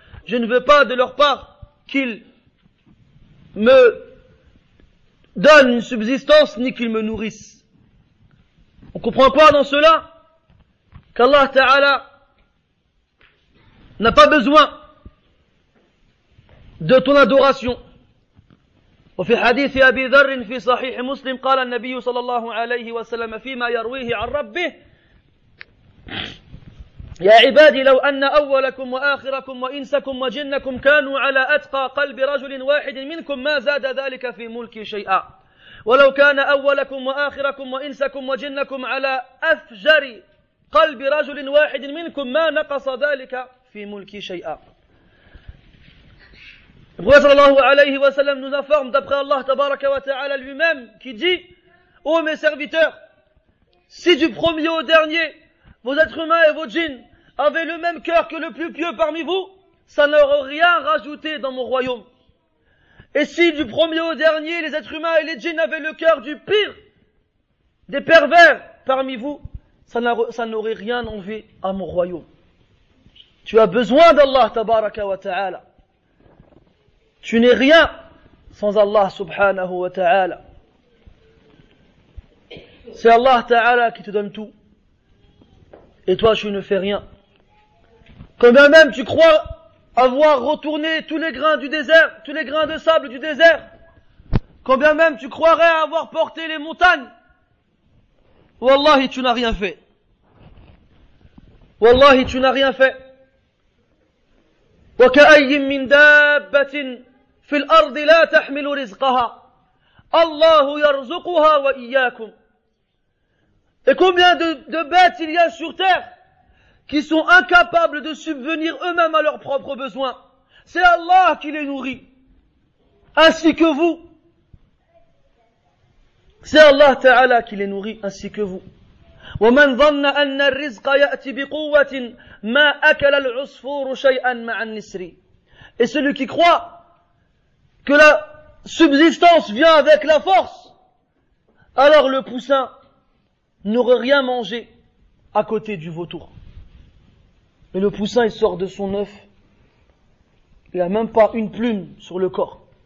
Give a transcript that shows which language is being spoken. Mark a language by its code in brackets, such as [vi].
[fr] Je ne veux pas de leur part qu'ils me donnent une subsistance ni qu'ils me nourrissent. On comprend pas dans cela qu'Allah Ta'ala n'a pas besoin de ton adoration. [ar] وفي حديث أبي ذر في صحيح مسلم قال النبي صلى الله عليه وسلم فيما يرويه عن ربه يا عبادي لو أن أولكم وآخركم وإنسكم وجنكم كانوا على أتقى قلب رجل واحد منكم ما زاد ذلك في ملكي شيئا ولو كان أولكم وآخركم وإنسكم وجنكم على أفجر قلب رجل واحد منكم ما نقص ذلك في ملكي شيئا. [fr] Le prophète sallallahu alayhi wa sallam nous informe d'après Allah tabaraka wa ta'ala lui-même qui dit, ô mes serviteurs, si du premier au dernier, vos êtres humains et vos djinns avaient le même cœur que le plus pieux parmi vous, ça n'aurait rien rajouté dans mon royaume. Et si du premier au dernier, les êtres humains et les djinns avaient le cœur du pire, des pervers parmi vous, ça n'aurait rien enlevé à mon royaume. Tu as besoin d'Allah tabaraka wa ta'ala. Tu n'es rien sans Allah subhanahu wa ta'ala. C'est Allah ta'ala qui te donne tout. Et toi, tu ne fais rien. Combien même tu crois avoir retourné tous les grains du désert, tous les grains de sable du désert. Combien même tu croirais avoir porté les montagnes. Wallahi, tu n'as rien fait. Wallahi, tu n'as rien fait. [ar] Wa ka'ayyim min dabbatin. في الأرض لا تحمل رزقها الله يرزقها وإياكم. [fr] Et combien de bêtes il y a sur terre qui sont incapables de subvenir eux-mêmes à leurs propres besoins. C'est Allah qui les nourrit, ainsi que vous. C'est Allah Ta'ala qui les nourrit, ainsi que vous. [ar] ومن ظن أن الرزق يأتي بقوة ما أكل العصفور شيئا مع النسر. [fr] Et celui qui croit que la subsistance vient avec la force, alors le poussin n'aurait rien mangé à côté du vautour. Mais le poussin, il sort de son œuf, il n'a même pas une plume sur le corps.